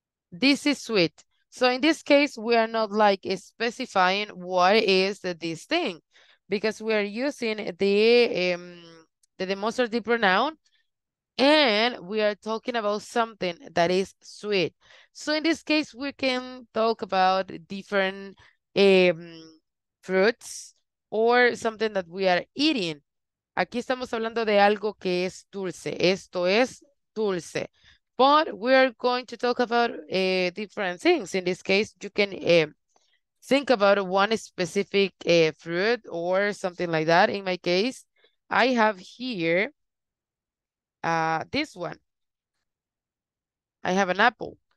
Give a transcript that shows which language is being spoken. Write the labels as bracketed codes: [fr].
[en] This is sweet. So in this case, we are not like specifying what is this thing because we are using the demonstrative pronoun and we are talking about something that is sweet. So in this case, we can talk about different fruits or something that we are eating. [es] Aquí estamos hablando de algo que es dulce. Esto es dulce. [en] But we are going to talk about different things. In this case, you can think about one specific fruit or something like that. In my case, I have here this one. I have an apple.